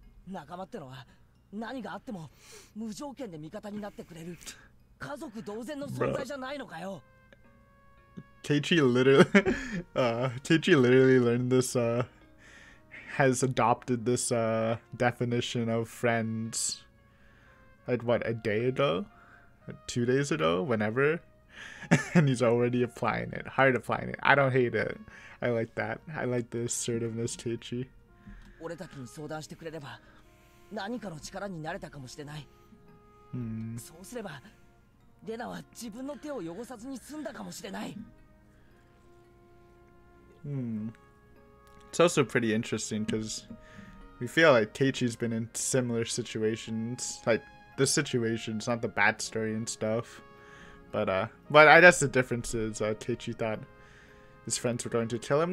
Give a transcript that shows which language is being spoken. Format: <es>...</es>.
<ja>仲間ってのは何があっても無条件で味方になってくれる家族同然の存在じゃないのかよ。</ja> <en>Keiichi literally learned this, has adopted this, definition of friends like what, a day ago? 2 days ago? Whenever? And he's already applying it. Hard applying it. I don't hate it. I like that. I like the assertiveness, Keiichi.</en> <ja>俺たちに相談してくれれば、何かの力になれたかもしれない。そうすれば、レナは自分の手を汚さずに済んだかもしれない。</ja> <en>It's also pretty interesting, because we feel like Keiichi's been in similar situations. Like, the situations, not the bad story and stuff. But I guess the difference is, Keiichi thought his friends were going to kill him.</en>